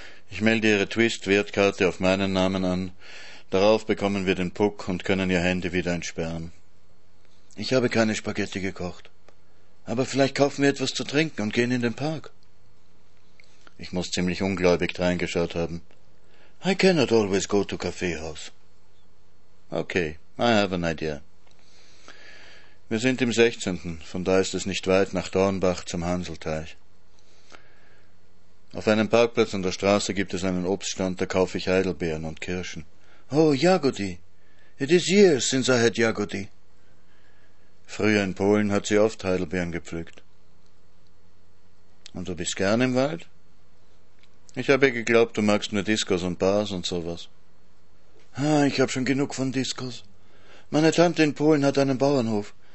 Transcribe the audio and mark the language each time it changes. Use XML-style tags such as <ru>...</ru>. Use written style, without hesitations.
<de>Ich melde ihre Twist-Wertkarte auf meinen Namen an. Darauf bekommen wir den Puck und können ihr Handy wieder entsperren. Ich habe keine Spaghetti gekocht. Aber vielleicht kaufen wir etwas zu trinken und gehen in den Park. Ich muss ziemlich ungläubig reingeschaut haben.</de> <en>I cannot always go to Kaffeehaus. Okay, I have an idea.</en> <de>Wir sind im 16., von da ist es nicht weit nach Dornbach zum Hanselteich. Auf einem Parkplatz an der Straße gibt es einen Obststand, da kaufe ich Heidelbeeren und Kirschen.</de> <en>Oh, Jagody, it is years since I had Jagody.</en> <de>Früher in Polen hat sie oft Heidelbeeren gepflückt. Und du bist gern im Wald? Ich habe geglaubt, du magst nur Discos und Bars und sowas. Ah, ich habe schon genug von Discos. Meine Tante in Polen hat einen Bauernhof.</de>